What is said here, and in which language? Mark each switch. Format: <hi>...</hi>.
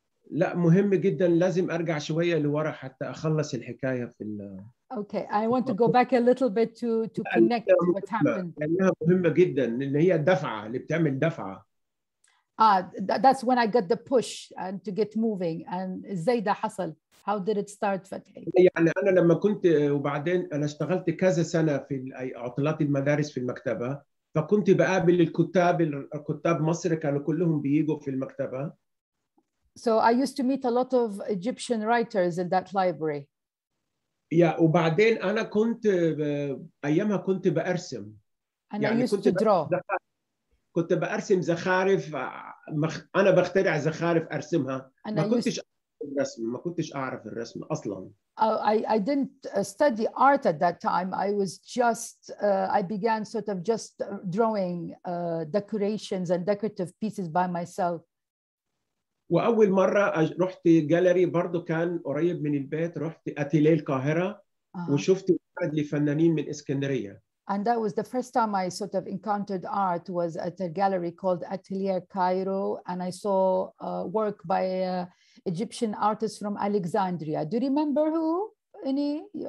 <ar>لا مهم جدا لازم أرجع شوية لورا حتى أخلص الحكاية في ال.</ar> <en>Okay, I want to go back a little bit to connect what happened.</en> <ar>لأنها مهمة جدا اللي هي الدفعة اللي بتعمل دفعة.</ar> <en>That's when I got the push and to get moving. And</en> <ar>إزاي ده حصل?</ar> <en>How did it start, Fathi?</en> <ar>يعني أنا لما كنت وبعدين أنا اشتغلت كذا سنة في عطلات المدارس في المكتبة فكنت بقابل الكتاب مصر كانوا كلهم بييجوا في المكتبة.</ar> <en>So I used to meet a lot of Egyptian writers in that library.</en> <ar>Yeah, وبعدين أنا كنت أيامها كنت بأرسم.</ar> <en>And يعني I used to draw.</en> <ar>كنت بأرسم زخارف أنا بخترع زخارف أرسمها.</ar> <en>And</en> <ar>ما كنتش الرسم، ما كنتش أعرف الرسم أصلاً.</ar> <en>I didn't study art at that time. I was just, I began sort of just drawing decorations and decorative pieces by myself.</en> <ar>وأول مرة رحت جاليري برضو كان قريب من البيت، رحت أتيلي القاهرة وشفت واحد لفنانين من إسكندرية.</ar> <en>And that was the first time I sort of encountered art was at a gallery called Atelier Cairo. And I saw work by an Egyptian artist from Alexandria. Do you remember who? Any?</en>